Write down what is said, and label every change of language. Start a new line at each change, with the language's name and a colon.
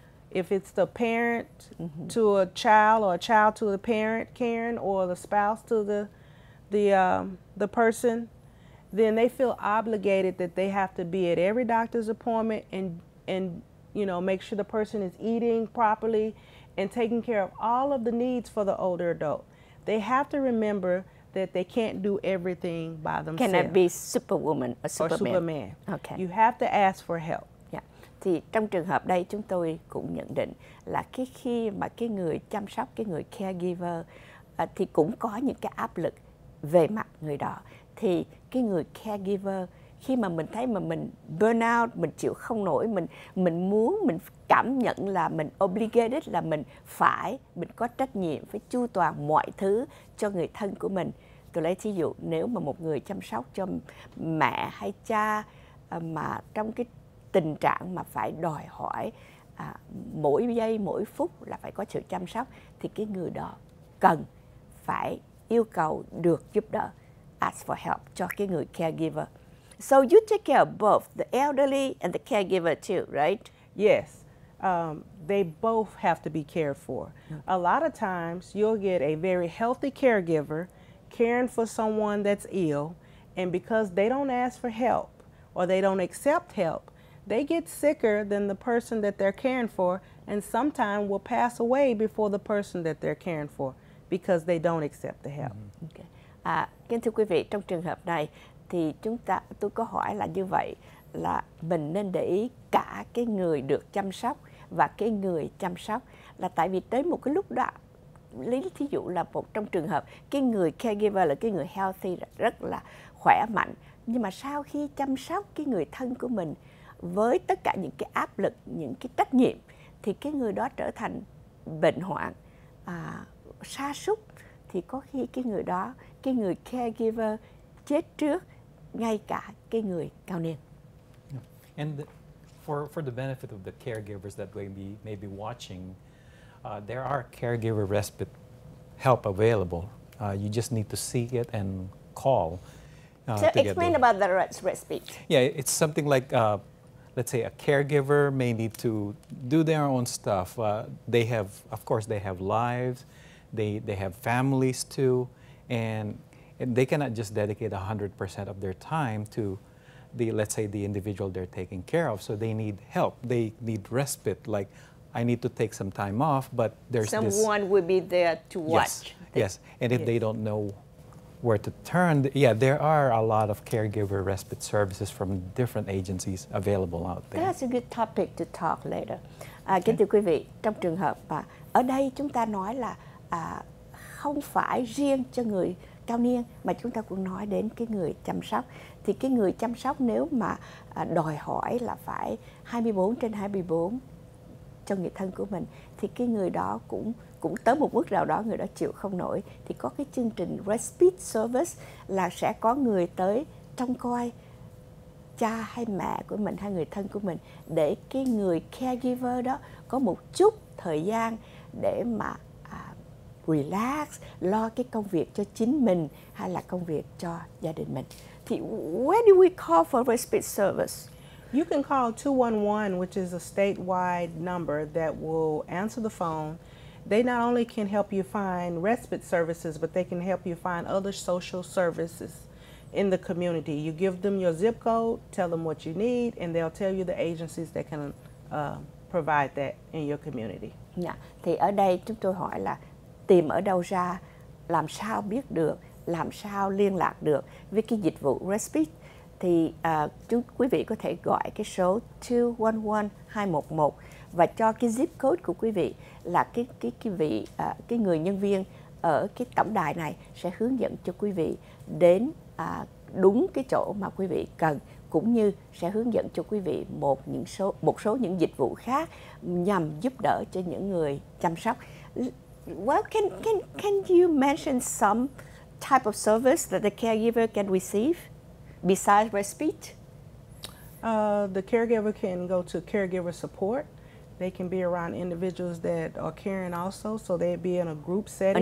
English: If it's the parent to a child, or a child to the parent, Karen, or the spouse to the person, then they feel obligated that they have to be at every doctor's appointment and you know, make sure the person is eating properly and taking care of all of the needs for the older adult. They have to remember that they can't do everything by themselves. Can I be superwoman or superman? Or superman. Okay. You have to ask for help. Yeah.
Vietnamese: Thì trong trường hợp đây chúng tôi cũng nhận định là cái khi mà cái người chăm sóc, cái người caregiver thì cũng có những cái áp lực về mặt người đó. Thì cái người caregiver khi mà mình thấy mà mình burn out, mình chịu không nổi, mình muốn, mình cảm nhận là mình obligated, là mình phải, mình có trách nhiệm phải chu toàn mọi thứ cho người thân của mình. Tôi lấy thí dụ, nếu mà một người chăm sóc cho mẹ hay cha mà trong cái tình trạng mà phải đòi hỏi mỗi giây, mỗi phút là phải có sự chăm sóc, thì cái người đó cần phải yêu cầu được giúp đỡ,
English: ask for help
Vietnamese: cho cái người caregiver.
English: So you take care of both the elderly and the caregiver too, right? Yes. They both have to be cared for. A lot of times you'll get a very healthy caregiver caring for someone that's ill, and because they don't ask for help or they don't accept help, they get sicker than the person that they're caring for, and sometimes will pass away before the person that they're caring for because they don't accept the help. Okay.
Vietnamese: Kính thưa quý vị, trong trường hợp này thì tôi có hỏi là như vậy, là mình nên để ý cả cái người được chăm sóc và cái người chăm sóc, là tại vì tới một cái lúc đó, lấy thí dụ là một trong trường hợp cái người caregiver là cái người healthy, rất là khỏe mạnh, nhưng mà sau khi chăm sóc cái người thân của mình với tất cả những cái áp lực, những cái trách nhiệm, thì cái người đó trở thành bệnh hoạn, sa sút, thì có khi cái người đó, cái người caregiver chết trước ngay cả cái người cao niên.
English: And for the benefit of the caregivers that may be watching, there are caregiver respite help available. You just need to seek it and call. Explain about the red speech. Yeah, it's something like, let's say a caregiver may need to do their own stuff. They have, of course, they have lives, they have families too, and they cannot just dedicate 100% of their time to the, let's say, the individual they're taking care of. So they need help, they need respite, like, I need to take some time off, but there's someone would be there to watch. Yes, and if they don't know where to turn, there are a lot of caregiver respite services from different agencies available out there. That's a good topic to talk later.
Vietnamese: Kính thưa quý vị, trong trường hợp mà ở đây chúng ta nói là không phải riêng cho người cao niên mà chúng ta cũng nói đến cái người chăm sóc, thì cái người chăm sóc nếu mà đòi hỏi là phải 24/24 cho người thân của mình thì cái người đó cũng tới một mức nào đó người đó chịu không nổi, thì có cái chương trình respite service là sẽ có người tới trông coi cha hay mẹ của mình hay người thân của mình để cái người caregiver đó có một chút thời gian để mà relax, lo cái công việc cho chính mình hay là công việc cho gia đình mình. Thì where do we call for respite service? You can call 211, which is a statewide number that will answer the phone. They not only can help you find respite services, but they can help you find other social services in the community. You give them your zip code, tell them what you need, and they'll tell you the agencies that can provide that in your community. Yeah. Thì ở đây chúng tôi hỏi là tìm ở đâu ra, làm sao biết được, làm sao liên lạc được với cái dịch vụ respite. Thì quý vị có thể gọi cái số 211-211 và cho cái zip code của quý vị là cái người nhân viên ở cái tổng đài này sẽ hướng dẫn cho quý vị đến đúng cái chỗ mà quý vị cần, cũng như sẽ hướng dẫn cho quý vị một số những dịch vụ khác nhằm giúp đỡ cho những người chăm sóc.
English: Well, can you mention some type of service that the caregiver can receive besides respite? The caregiver can go to caregiver support. They can be around individuals that are caring also, so they'd be in a group setting.